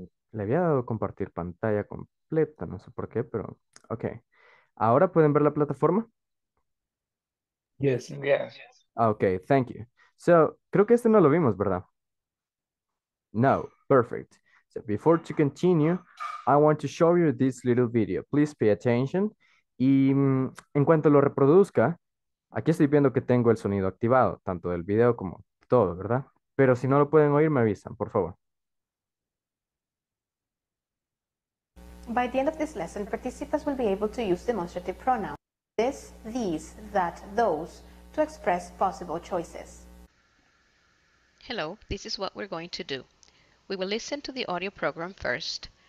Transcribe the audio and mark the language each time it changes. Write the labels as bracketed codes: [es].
[es] Le había dado compartir pantalla completa, no sé por qué, pero ok. ¿Ahora pueden ver la plataforma? [en] Yes, yes. Ok, thank you. [es] So, creo que este no lo vimos, ¿verdad? [en] No, perfect. So, before to continue, I want to show you this little video. Please pay attention. [es] Y en cuanto lo reproduzca, aquí estoy viendo que tengo el sonido activado, tanto del video como todo, ¿verdad? Pero si no lo pueden oír, me avisan, por favor. [en] By the end of this lesson, participants will be able to use demonstrative pronouns this, these, that, those to express possible choices. Hello, this is what we're going to do. We will listen to the audio program first.